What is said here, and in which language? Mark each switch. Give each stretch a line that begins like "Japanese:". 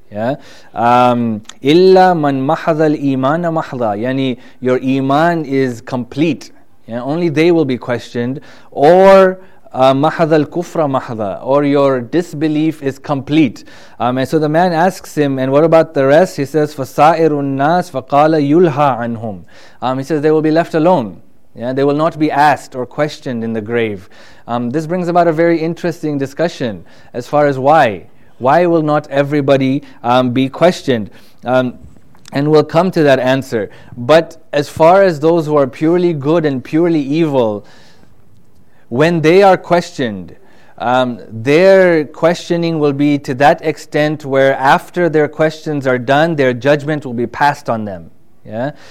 Arabic: Illa man mahadha al-imana mahadha.
English: Yani, your iman is complete. Yeah? Only they will be questioned. Or
Arabic: mahadha al-kufra mahadha,
English: or your disbelief is complete. And so the man asks him, and what about the rest? He says,
Arabic: فَسَائِرُ النَّاسِ فَقَالَ يُلْهَا عَنْهُمْ.
English: He says, they will be left alone. Yeah, they will not be asked or questioned in the grave. This brings about a very interesting discussion as far as why. Why will not everybody be questioned? And we'll come to that answer. But as far as those who are purely good and purely evil, when they are questioned, their questioning will be to that extent where after their questions are done, their judgment will be passed on them. Yeah.